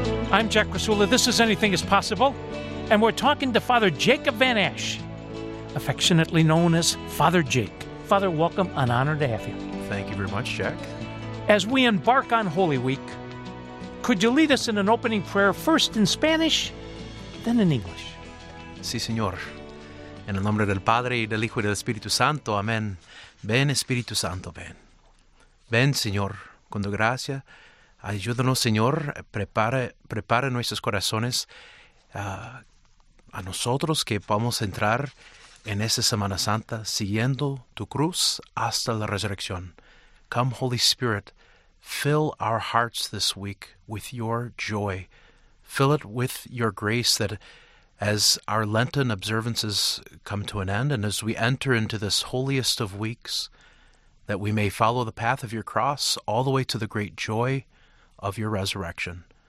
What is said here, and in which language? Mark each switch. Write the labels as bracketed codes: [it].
[en] I'm Jack Rasula, this is Anything Is Possible, and we're talking to Father Jacob Van Ash, affectionately known as Father Jake. Father, welcome, an honor to have you. Thank you very much, Jack. As we embark on Holy Week, could you lead us in an opening prayer, first in Spanish, then in English? [es] Sí, señor. En el nombre del Padre, y del Hijo, y del Espíritu Santo. Amén. Ven, Espíritu Santo, ven. Ven, Señor, con tu gracia. Ayúdanos, Señor, prepara nuestros corazones a nosotros que podamos entrar en esta Semana Santa siguiendo tu cruz hasta la resurrección. [en] Come, Holy Spirit, fill our hearts this week with your joy. Fill it with your grace that as our Lenten observances come to an end and as we enter into this holiest of weeks, that we may follow the path of your cross all the way to the great joy of your resurrection.